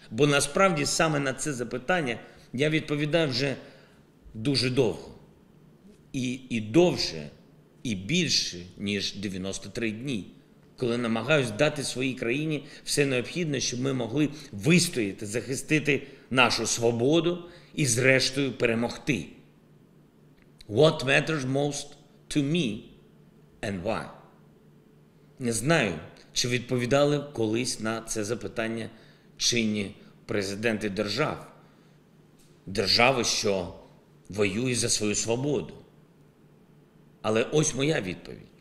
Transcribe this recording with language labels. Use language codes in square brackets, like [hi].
[uk] Бо насправді саме на це запитання я відповідав вже дуже довго. І довше, і більше, ніж 93 дні, коли намагаюсь дати своїй країні все необхідне, щоб ми могли вистояти, захистити нашу свободу і зрештою перемогти. [en] What matters most to me and why? [uk] Не знаю, чи відповідали колись на це запитання чи ні. Президенти держав, держави, що воює за свою свободу. Але ось моя відповідь.